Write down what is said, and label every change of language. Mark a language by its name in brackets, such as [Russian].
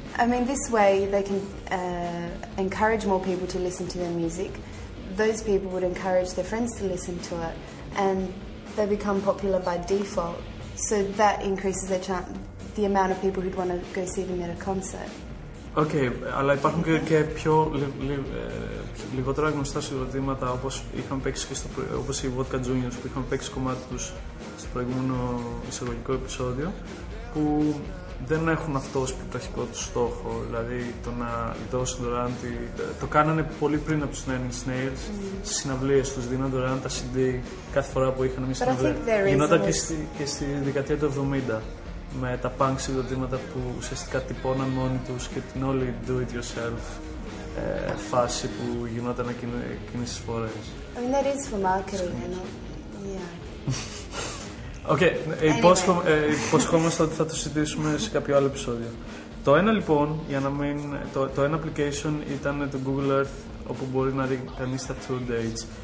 [English] I mean, this way they can encourage more people to listen to their music. Those people would encourage their friends to listen to it, and they become popular by default. So that increases their chance, the amount of people who'd want to go see them at a concert. [Greek] Okay, αλλά υπάρχουν και πιο λιγότερα γνωστά συγκροτήματα όπως είχαν παίξει και όπως οι Vodka Juniors που είχαν παίξει κομμάτι τους στο προηγούμενο εισαγωγικό επεισόδιο που δεν έχουν αυτό ως πρωταρχικό του στόχο, δηλαδή το να δώσουν δωρεάν το κάνανε πολύ πριν από τους Nine Inch Nails, στις συναυλίες τους δίναν δωρεάν τα CD κάθε φορά που είχαν μια συναυλία. Γινόταν και στη δεκαετία του 70. Με τα punk συγκροτήματα που ουσιαστικά τυπώναν μόνοι τους και την όλη do-it-yourself φάση που γινόταν εκείνες τις φορές. [English] I mean, that is for marketing, you know. Yeah. Okay, anyway. [Greek] Υποσχόμαστε ότι θα το συζητήσουμε σε κάποιο άλλο επεισόδιο. Το ένα λοιπόν, για να μην... Το ένα application ήταν το Google Earth, όπου μπορεί να δει κανείς τα tour dates.